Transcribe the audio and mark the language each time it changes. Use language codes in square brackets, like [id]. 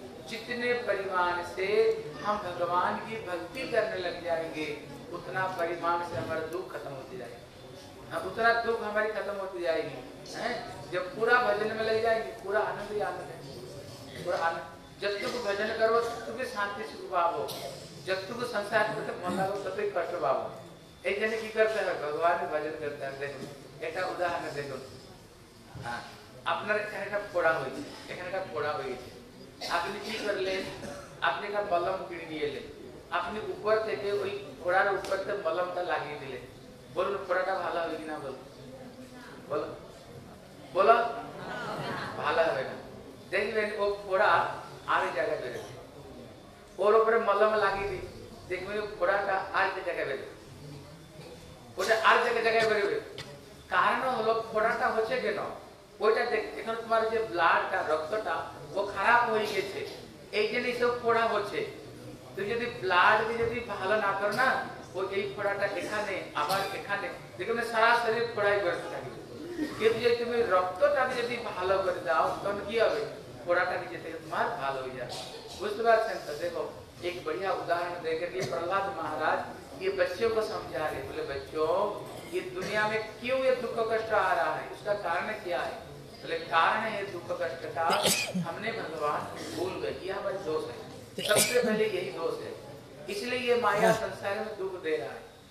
[hi] जितने परिमाण से हम भगवान की भक्ति करने लग जाएंगे उतना परिमाण से हमारा दुख खत्म होती जाएगी, उतना दुख हमारी खत्म होती जाएगी। जब पूरा भजन में लग जाएगी पूरा आनंद ही आनंद है, पूरा आनंद। जब तक भजन करो तब तक शांति स्वभाव हो, जब तक संसार में तक मन लगो तब तक कष्ट भाव हो। एक जन की करते हैं भगवान भजन करते हैं, देखो एक उदाहरण देखो, [bn] আপনার এখানে একটা পোড়া হয়েছে, এখানে একটা পোড়া হয়েছে, আপনি কি করলেন, আপনি একটা মলম কিনে নিয়ে এলেন, আপনি উপর থেকে ওই পোড়ার উপর থেকে মলমটা লাগিয়ে দিলেন, বলুন পোড়াটা ভালো হবে কিনা, বলো বলো বলো ভালো হবে না। দেখবেন ও পোড়া আর এক জায়গায় বেরোবে, ওর উপরে মলম লাগিয়ে দিই, দেখবেন পোড়াটা আর এক জায়গায় বেরোবে, ওটা আর এক জায়গায় বেরোবে। কারণ হলো পোড়াটা হচ্ছে কেন, ওইটা দেখ এখন তোমার যে ব্লাডটা রক্তটা ও খারাপ হয়ে গেছে, এই জন্য এইসব পোড়া হচ্ছে। তুমি যদি ব্লাড যদি ভালো না করো না, ও এই পোড়াটা এখানে আবার এখানে দেখবে সারা শরীর পোড়াই করতে থাকবে, কিন্তু যদি তুমি রক্তটাকে যদি ভালো করে দাও তখন কি হবে, পোড়াটা নিজে থেকে তোমার ভালো হয়ে যাবে। বুঝতে পারছেন তো, দেখো এক বড়িয়া উদাহরণ দেখে দিয়ে প্রহ্লাদ মহারাজ [hi] ये बच्चों को समझा रहे, बोले बच्चों ये दुनिया में क्यों ये दुख कष्ट आ रहा है, उसका कारण क्या है, बोले कारण है दुख कष्ट का हमने भगवान को भूल गए, ये हमारा दोष है, सबसे पहले यही दोष है, इसलिए ये माया संसार में दुख दे रहा है।